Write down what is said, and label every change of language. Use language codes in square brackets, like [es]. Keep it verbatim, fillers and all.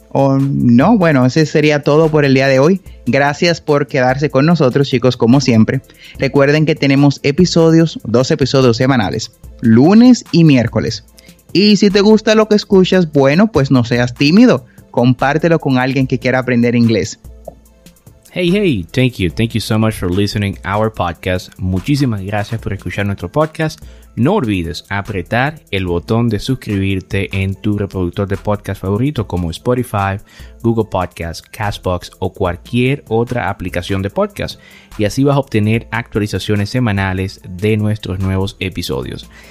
[es] Oh, no, bueno, ese sería todo por el día de hoy. Gracias por quedarse con nosotros, chicos, como siempre. Recuerden que tenemos episodios, dos episodios semanales, lunes y miércoles. Y si te gusta lo que escuchas, bueno, pues no seas tímido. Compártelo con alguien que quiera aprender inglés. [en] Hey, hey, thank you. Thank you so much for listening our podcast. [es] Muchísimas gracias por escuchar nuestro podcast. No olvides apretar el botón de suscribirte en tu reproductor de podcast favorito como Spotify, Google Podcasts, Castbox o cualquier otra aplicación de podcast. Y así vas a obtener actualizaciones semanales de nuestros nuevos episodios.